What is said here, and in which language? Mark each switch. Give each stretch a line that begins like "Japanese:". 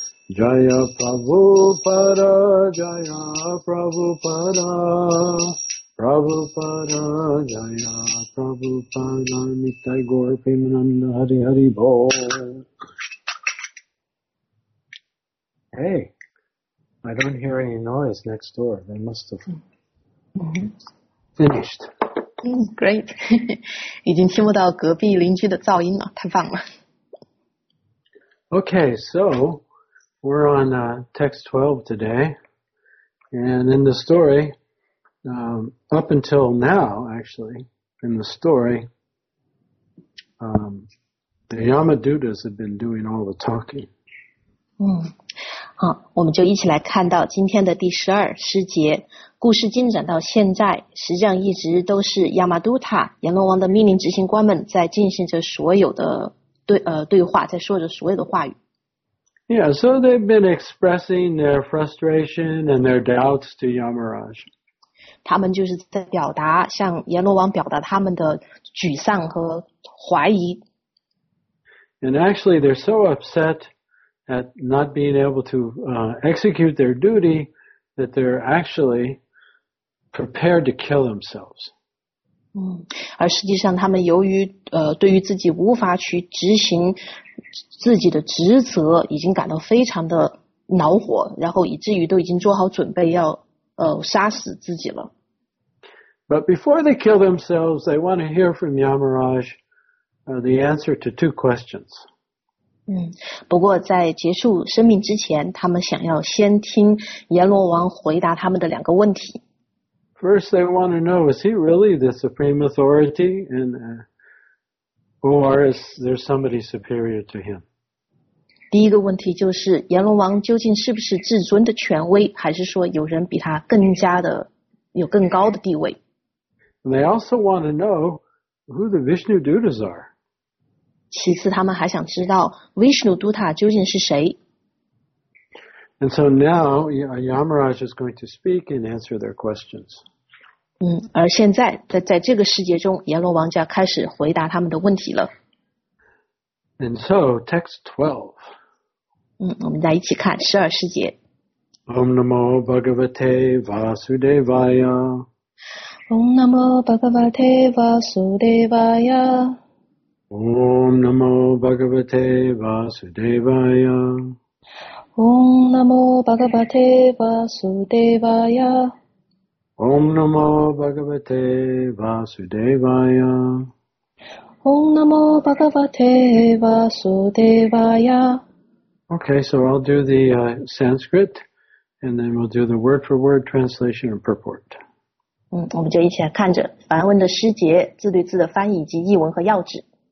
Sanskrit: Jaya Prabhupada Jaya Prabhupada Prabhupada Jaya Prabhupada Nitai Gaur Premananda Hari Hari Bol.
English: Hey, I don't hear any noise next door. They must have finished. Great.
Chinese: 已经听不到隔壁邻居的噪音了，太棒了。
English: Okay, so we're on text 12 today. And in the story, up until now, actually, in the story, the Yamadutas have been doing all the talking.
Chinese: 好，我们就一起来看到今天的第十二诗节。故事进展到现在，实际上一直都是亚玛都塔阎罗王的命令执行官们在进行着所有的对话，在说着所有的话语。
English: Yeah, so they've been expressing their frustration and their doubts to Yamaraj.
Chinese: 他们就是在表达，向阎罗王表达他们的沮丧和怀疑。
English: And actually, they're so upset at not being able to execute their duty that they're actually prepared to kill themselves.
Chinese: 而实际上，他们由于对于自己无法去执行自己的职责，已经感到非常的恼火，然后以至于都已经做好准备要杀死自己了。
English: But before they kill themselves, they want to hear from Yamaraj the answer to two questions.
Chinese: 不过在结束生命之前，他们想要先听阎罗王回答他们的两个问题。
English: First, they want to know, is he really the supreme authority in Or is there somebody superior to him?
Chinese: 第一个问题就是阎罗王究竟是不是至尊的权威，还是说有人比他更加的有更高的地位？
English: And they also want to know who the Vishnu Dutas are.
Chinese: 其次，他们还想知道 Vishnu Duta 究竟是谁。
English: And so now Yamaraj is going to speak and answer their questions.
Chinese: 而现在在这个世界中，阎罗王就要开始回答他们的问题了。
English: And so, text 12.
Chinese: 我们再一起看十二世界。
Sanskrit: Om Namo Bhagavate Vasudevaya. Om Namo Bhagavate Vasudevaya. Om Namo Bhagavate Vasudevaya. Om Namo Bhagavate Vasudevaya. Om Namo Bhagavate Vasudevaya. Om Namo Bhagavate Vasudevaya.
English: Okay, so I'll do the Sanskrit, and then we'll do the word-for-word translation and purport.
Chinese: 我们就一起来看着梵文的诗节、字对字的翻译以及译文和要旨。